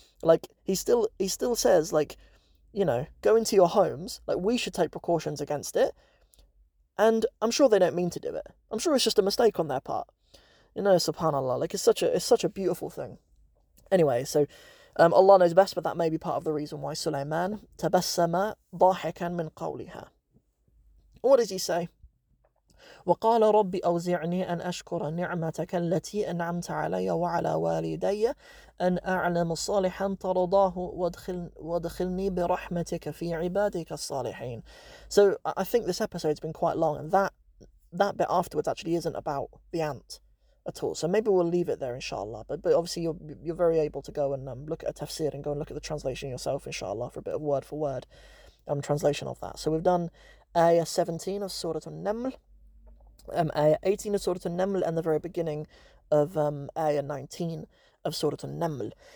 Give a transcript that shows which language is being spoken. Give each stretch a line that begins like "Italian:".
English: Like, he still says, like, you know, go into your homes, like, we should take precautions against it, and I'm sure they don't mean to do it. I'm sure it's just a mistake on their part. You know, subhanAllah, like, it's such a beautiful thing. Anyway, so... Allah knows best, but that may be part of the reason why Sulaiman
Arabic: tabassama dahikan min qawliha.
English: What does he say?
Arabic: وقال ربي أوزعني أن أشكر نعمتك التي أنعمت علي وعلى والدي أن أعلم صالحا ترضاه وادخلني برحمتك في عبادك الصالحين.
English: So I think this episode's been quite long, and that bit afterwards actually isn't about the ant at all. So maybe we'll leave it there, inshallah. But obviously you're very able to go and look at a tafsir and go and look at the translation yourself, inshallah, for a bit of word for word translation of that. So we've done Ayah 17 of Surah An-Naml, Ayah 18 of Surah An-Naml, and the very beginning of Ayah 19 of Surah An-Naml.